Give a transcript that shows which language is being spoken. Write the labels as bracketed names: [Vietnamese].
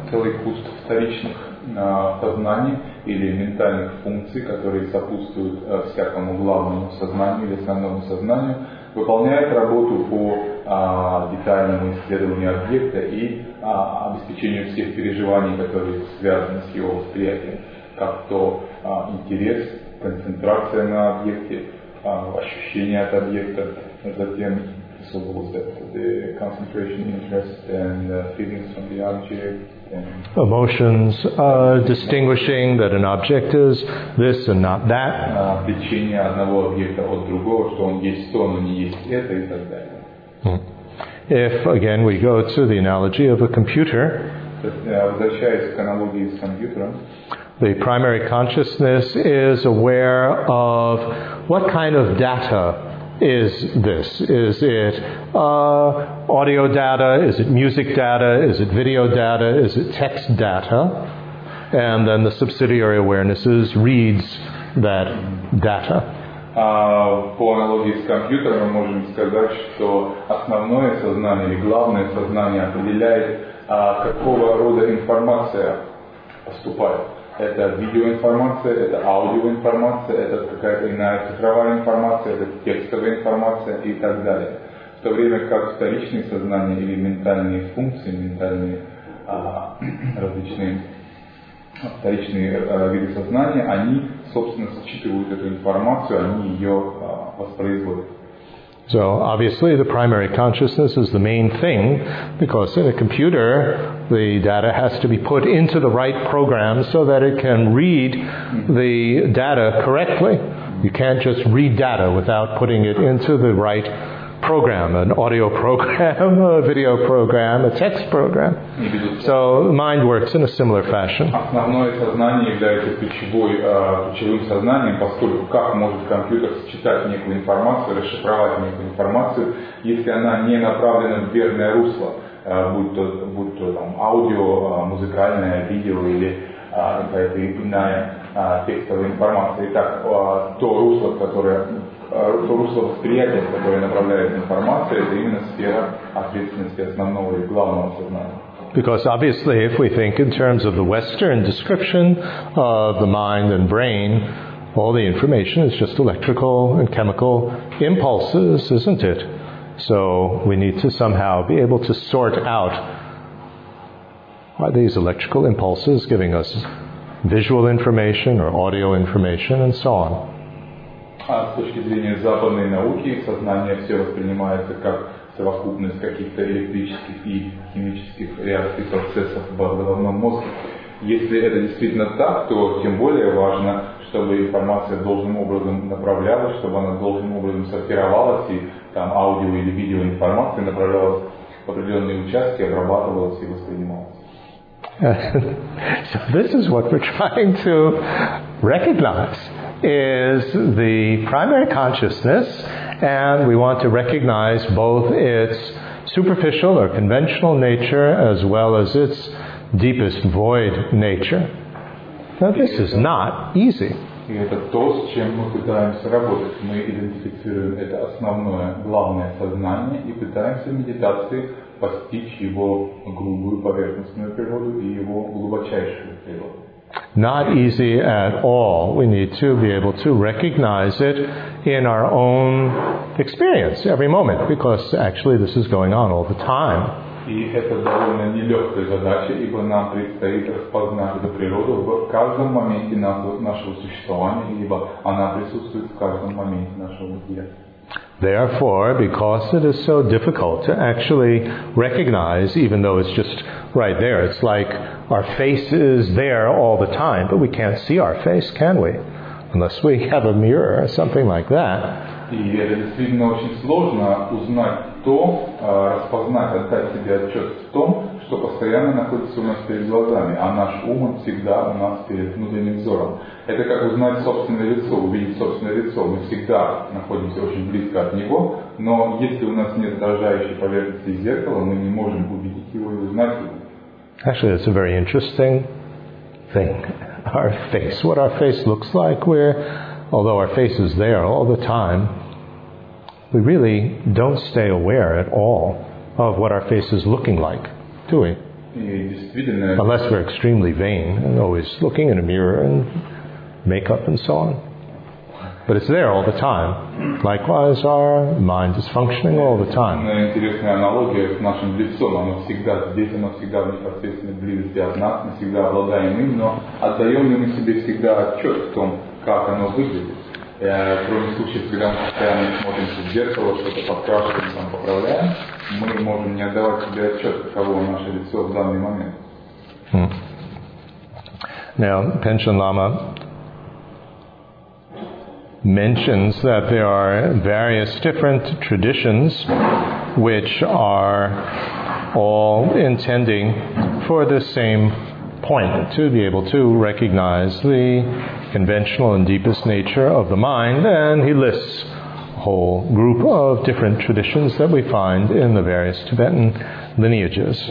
[Russian] Целый куст вторичных сознаний или ментальных функций, которые сопутствуют всякому главному сознанию или основному сознанию, выполняет работу по детальному исследованию объекта и обеспечению всех переживаний, которые связаны с его восприятием, как то интерес, концентрация на объекте, ощущение от объекта, затем [English] so what was that, the concentration, interest, and feelings from the object, and emotions, distinguishing that an object is this and not that. [Russian] Отличение одного объекта от другого, что он есть то, но не есть это, и так далее. [English] If again we go to the analogy of a computer, [Russian] возвращаясь к аналогии с компьютером, [English] the primary consciousness is aware of what kind of data is this. Is it audio data? Is it music data? Is it video data? Is it text data? And then the subsidiary awarenesses reads that data. [Russian] По аналогии с компьютером мы можем сказать, что основное сознание или главное сознание определяет, какого рода информация поступает. Это видеоинформация, это аудиоинформация, это какая-то иная цифровая информация, это текстовая информация и так далее. В то время как вторичные сознания или ментальные функции, ментальные различные вторичные виды сознания, они, собственно, считывают эту информацию, они ее воспроизводят. [English] So obviously the primary consciousness is the main thing, because in a computer the data has to be put into the right program so that it can read the data correctly. You can't just read data without putting it into the right program, an audio program, a video program, a text program. So mind works in a similar fashion. [Russian] Основное сознание является ключевым сознанием, поскольку как может компьютер считать некую информацию, расшифровать некую информацию, если она не направлена в верное русло, будь то там аудио, музыкальное, видео или какая-то иная текстовая информация. Итак, то русло, которое русло восприятия, которое направляет информацию, это именно сфера ответственности основного и главного сознания. [English] Because obviously, if we think in terms of the Western description of the mind and brain, all the information is just electrical and chemical impulses, isn't it? So we need to somehow be able to sort out, are these electrical impulses giving us visual information or audio information and so on? [Russian] А с точки зрения западной науки, сознание все воспринимается как совокупность каких-то электрических и химических реакций процессов в головном мозге. Если это действительно так, то тем более важно, чтобы информация должным образом направлялась, чтобы она должным образом сортировалась, и там аудио или видео информация направлялась в определенные участки, обрабатывалась и воспринималась. [English] So this is what we're trying to recognize, is the primary consciousness, and we want to recognize both its superficial or conventional nature as well as its deepest void nature. Now this is not easy. [Russian] И это то, с чем мы пытаемся работать. Мы идентифицируем это основное, главное сознание и пытаемся в медитации постичь его грубую поверхностную природу и его глубочайшую природу. [English] Not easy at all. We need to be able to recognize it in our own experience every moment, because actually this is going on all the time. [Russian] И это довольно нелегкая задача, ибо нам предстоит распознать эту природу в каждом моменте нашего существования, ибо она присутствует в каждом моменте нашего бытия. [English] Therefore, because it is so difficult to actually recognize, even though it's just right there, it's like our face is there all the time, but we can't see our face, can we? Unless we have a mirror or something like that. [Russian] И это действительно очень сложно узнать то, распознать, отдать себе отчет в том, что постоянно находится у нас перед глазами, а наш ум всегда у нас перед внутренним взором. Это как узнать собственное лицо, увидеть собственное лицо. Мы всегда находимся очень близко от него, но если у нас нет отражающей поверхности зеркала, мы не можем увидеть его и узнать его. [English] Actually, it's a very interesting thing. Our face, what our face looks like, although our face is there all the time, we really don't stay aware at all of what our face is looking like, do we? Unless we're extremely vain and always looking in a mirror and makeup and so on. But it's there all the time. Likewise, our mind is functioning all the time. [Russian] Это интересная аналогия с нашим лицом. Оно всегда здесь, оно всегда в непосредственной близости от нас, мы всегда обладаем им, но отдаем ли мы себе всегда отчет в том, как оно выглядит. Кроме случаев, когда мы постоянно смотримся в зеркало, что-то подкрашиваем, там поправляем, мы можем не отдавать себе отчет, каково наше лицо в данный момент. [English] Now, Panchen Lama mentions that there are various different traditions which are all intending for the same point, to be able to recognize the conventional and deepest nature of the mind, and he lists a whole group of different traditions that we find in the various Tibetan lineages.